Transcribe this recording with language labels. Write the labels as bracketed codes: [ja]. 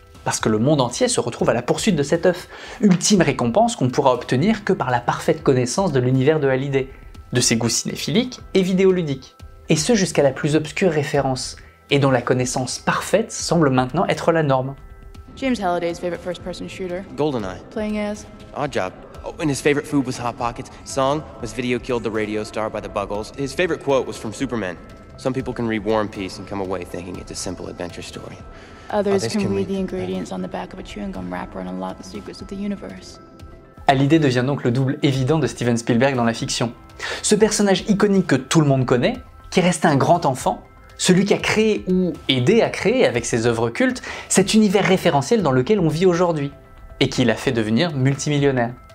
[fr] Parce que le monde entier se retrouve à la poursuite de cet œuf, ultime récompense qu'on ne pourra obtenir que par la parfaite connaissance de l'univers de Halliday, de ses goûts cinéphiliques et vidéoludiques. Et ce jusqu'à la plus obscure référence, et dont la connaissance parfaite semble maintenant être la norme. [en] James Halliday's favorite first-person shooter. GoldenEye. Playing as. Oddjob. Oh, and his favorite food was Hot Pockets. Song was Video Killed the Radio Star by the Buggles. His favorite quote was from Superman. Some people can read War and Peace and come away thinking it's a simple adventure story. Others can read the ingredients on the back of a chewing gum wrapper and unlock the secrets of the universe. [fr] Hallyday devient donc le double évident de Steven Spielberg dans la fiction. Ce personnage iconique que tout le monde connaît, qui reste un grand enfant, celui qui a créé ou aidé à créer avec ses œuvres cultes cet univers référentiel dans lequel on vit aujourd'hui, et qui l'a fait devenir multimillionnaire.